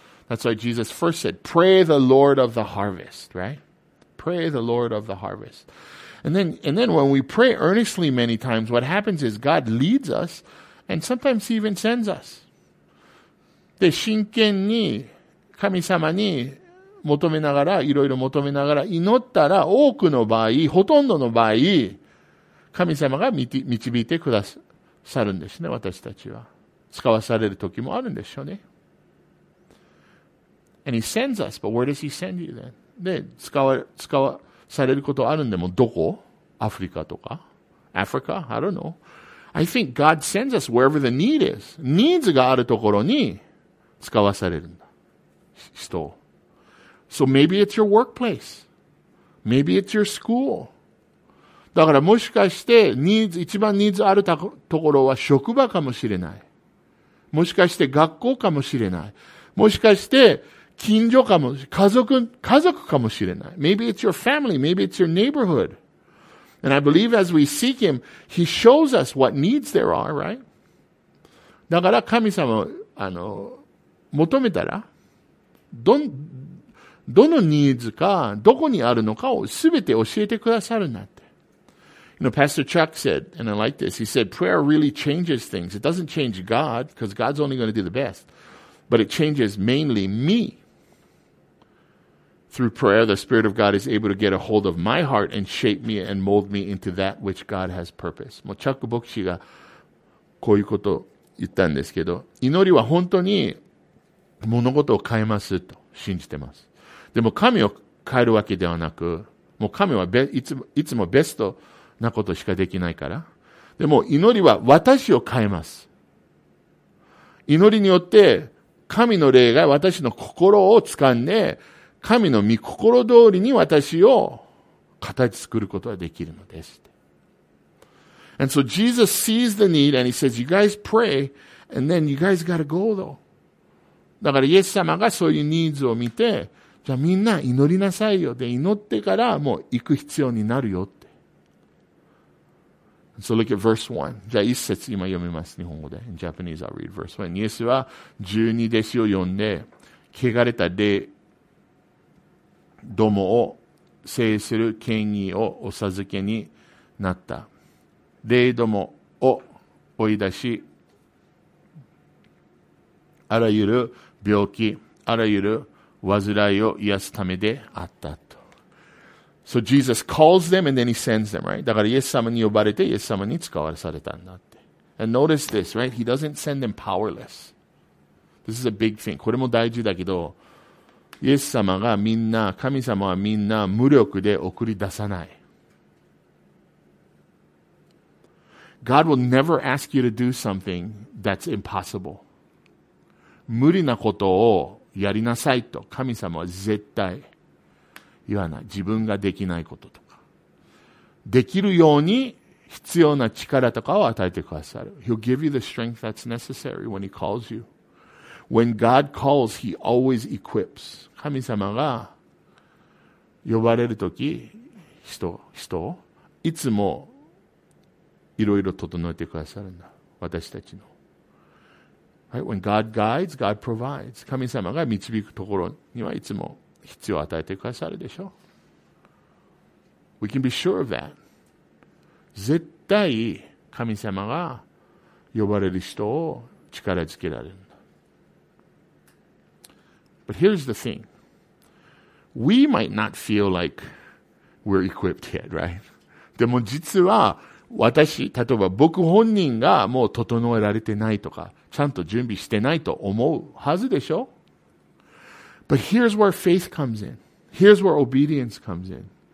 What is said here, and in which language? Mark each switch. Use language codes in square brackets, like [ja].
[en] That's why Jesus first said, pray the Lord of the harvest, right? Pray the Lord of the harvest. And then when we pray earnestly many times, what happens is God leads us and sometimes he even sends us. [ja] で、真剣に神様に求めながら、いろいろ求めながら祈ったら多くの場合、ほとんどの場合、神様が導いてくださるんですね、私たちは。使わされる時もあるんでしょうね。 [en] And he sends us, but where does he send you then? [ja] で、使わされることあるんで、もうどこ？アフリカとか？ [en] Africa? I don't know. I think God sends us wherever the need is. [ja] Needs があるところに使わされるんだ。人を。 [en] So maybe it's your workplace. Maybe it's your school. [ja] だからもしかして、一番 needs あるところは職場かもしれない。もしかして学校かもしれない。もしかして、近所かもしれない。家族かもしれない。 [en] Maybe it's your family. Maybe it's your neighborhood. And I believe as we seek him, he shows us what needs there are, right? [ja] だから神様、求めたら、どのニーズか、どこにあるのかをすべて教えてくださるなって。 [en] You know, Pastor Chuck said, and I like this, he said, prayer really changes things. It doesn't change God, because God's only going to do the best. But it changes mainly me. Through prayer, the Spirit of God is able to get a hold of my heart and shape me and mold me into that which God has purpose. [ja] もうチャック牧師がこういうこと言ったんですけど、祈りは本当に物事を変えますと信じてます。でも神を変えるわけではなく、もう神はいつもベストなことしかできないから。でも祈りは私を変えます。祈りによって神の霊が私の心を掴んで、神の御心通りに私を形作ることができるのです。 [en] And so Jesus sees the need and he says, you guys pray and then you guys gotta go though. [ja] だからイエス様がそういうニーズを見て、じゃあみんな祈りなさいよ。で、祈ってからもう行く必要になるよって。 [en] So look at verse 1. [ja] じゃあ一節今読みます。日本語で。 [en] In Japanese, I'll read verse 1. [ja] イエスは十二弟子を呼んで、汚れた霊どもを制する権威をお授けになった。霊どもを追い出し、あらゆる病気、あらゆる患いを癒すためであったと。 [en] So Jesus calls them and then he sends them, right? [ja] だからイエス様に呼ばれてイエス様に使わされたんだって。 [en] And notice this, right? He doesn't send them powerless. This is a big thing. [ja] これも大事だけど、イエス様がみんな、神様はみんな無力で送り出さない。 [en] God will never ask you to do something that's impossible. [ja] 無理なことをやりなさいと神様は絶対言わない。自分ができないこととか。できるように必要な力とかを与えてくださる。 [en] He'll give you the strength that's necessary when he calls you. When God calls, he always equips. [ja] 神様が呼ばれるとき、人をいつもいろいろ整えてくださるんだ。私たちの。 [en] Right? When God guides, God provides. [ja] 神様が導くところにはいつも必要を与えてくださるでしょう。 [en] We can be sure of that. [ja] 絶対神様が呼ばれる人を力づけられる。 [en] But here's the thing. We might not feel like we're equipped yet, right? [ja] でも実は私、例えば僕本人がもう整えられてないとか、ちゃんと準備してないと思うはずでしょ? [en] But here's where faith comes in. Here's where obedience comes in.